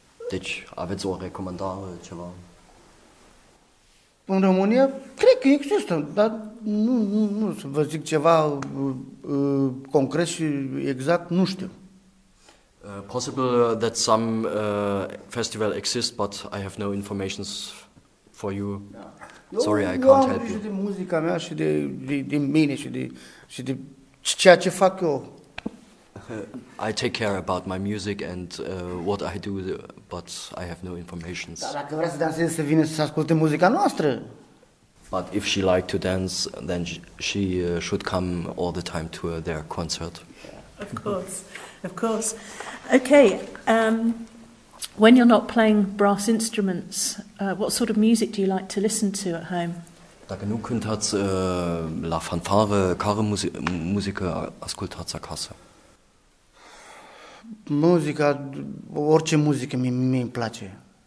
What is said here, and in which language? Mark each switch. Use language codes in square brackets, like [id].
[ro] Deci, aveți o recomandare, ceva? În România, cred că există, dar nu să vă zic ceva concret și exact, nu știu. [en] Possible that some festival exists, but I have no information for you. Yeah. Sorry, [ro] eu [en] I can't help you. [ro] Eu am grijă de muzica mea și de mine și de ceea ce fac eu. [en] I take care about my music and what I do, but I have no information. [ro] Dar dacă vrea să danseze, să vină să asculte muzica noastră. [en] But if she like to dance, then she should come all the time to their concert. Of course, of course. Okay, when you're not playing brass instruments, what sort of music do you like to listen to at home? [ro] Dacă nu cântați la fanfare, care muzică ascultați acasă? Muzica, orice muzică mi-mi place.